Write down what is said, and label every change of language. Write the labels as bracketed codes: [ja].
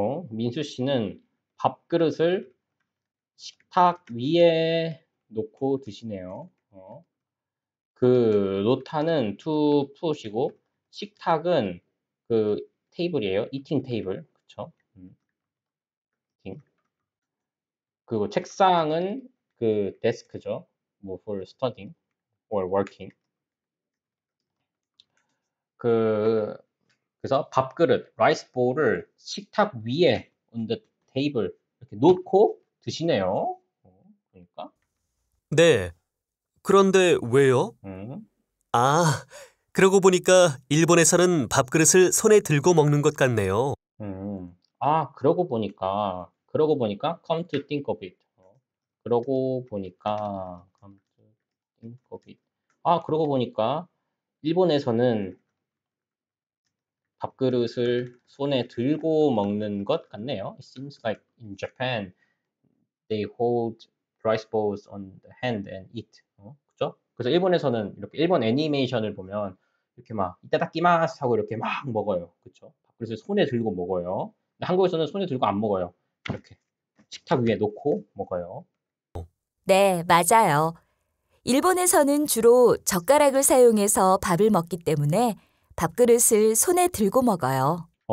[ko] 민수 씨는 밥그릇을 식탁 위에 놓고 드시네요. 노타는 to put이고, 식탁은 테이블이에요. [en] eating table. 그쵸? [ko] 그리고 책상은 데스크죠. [en] 뭐, for studying or working. [ko] 그래서 밥그릇, rice bowl을 식탁 위에 [en] on the table [ko] 이렇게 놓고 드시네요. 그러니까. 네. 그런데 왜요? 아, 그러고 보니까 일본에서는 밥그릇을 손에 들고 먹는 것 같네요. 그러고 보니까 [en] come to think of it. [ko] 그러고 보니까 [en] come to think of it. [ko] 그러고 보니까 일본에서는 밥그릇을 손에 들고 먹는 것 같네요. [en] It seems like in Japan they hold rice bowls on the hand and eat. [ko] 그죠? 그래서 일본에서는 이렇게 일본 애니메이션을 보면 이렇게 막 이따다키마스 하고 이렇게 막 먹어요. 그렇죠? 밥그릇을 손에 들고 먹어요. 근데 한국에서는 손에 들고 안 먹어요. 이렇게 식탁 위에 놓고 먹어요. 네, 맞아요. 일본에서는 주로 젓가락을 사용해서 밥을 먹기 때문에 밥그릇을 손에 들고 먹어요.